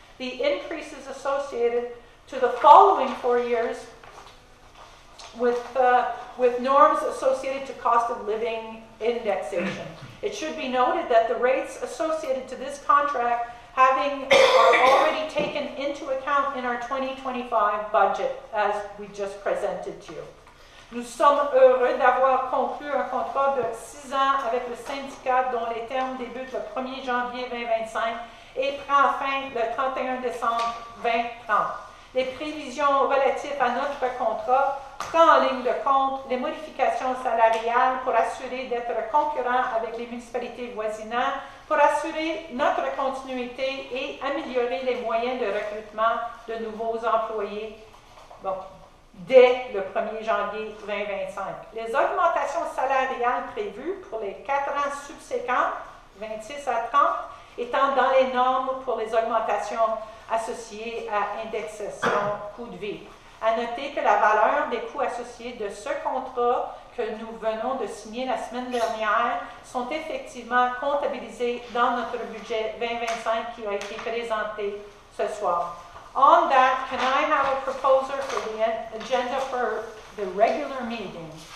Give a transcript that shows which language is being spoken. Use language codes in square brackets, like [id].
[en] The increases associated to the following 4 years with norms associated to cost of living indexation. It should be noted that the rates associated to this contract are already taken into account in our 2025 budget, as we just presented to you. [fr] Nous sommes heureux d'avoir conclu un contrat de 6 ans avec le syndicat dont les termes débutent le 1er janvier 2025 et prend fin le 31 décembre 2030. Les prévisions relatives à notre contrat prend en ligne de compte les modifications salariales pour assurer d'être concurrent avec les municipalités voisinantes, pour assurer notre continuité et améliorer les moyens de recrutement de nouveaux employés dès le 1er janvier 2025. Les augmentations salariales prévues pour les 4 ans subséquents, 26 à 30, étant dans les normes pour les augmentations associées à indexation coût de vie. À noter que la valeur des coûts associés de ce contrat que nous venons de signer la semaine dernière sont effectivement comptabilisés dans notre budget 2025 qui a été présenté ce soir. [en] On that, can I have a proposer for the agenda for the regular meeting?